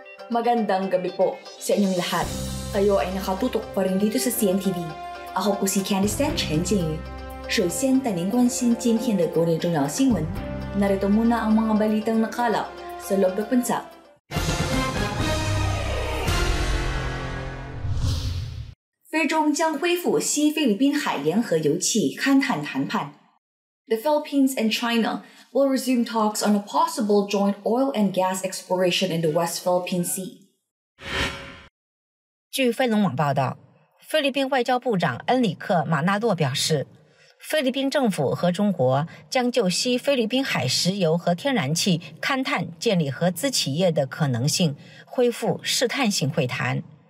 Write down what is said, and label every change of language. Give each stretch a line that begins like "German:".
Filipino: Magandang gabi po sa inyong lahat. Kayo ay nakatutok pa rin dito sa CNTV. Ako po si Candistan Chen Jingyu.
Chinese: 首先带您关心今天的国内重要新闻。
Filipino: Narito muna ang mga balitang nakalap sa loob ng bansa.
Chinese: Filipino-Chinese 将恢复西菲律宾海联合油气勘探谈判。
English: The Philippines and China will resume talks on a possible joint oil and gas exploration in the West Philippine Sea.
Chinese: 据菲龙网报道，菲律宾外交部长恩里克·马纳诺表示，菲律宾政府和中国将就吸菲律宾海石油和天然气勘探建立合资企业的可能性恢复试探性会谈。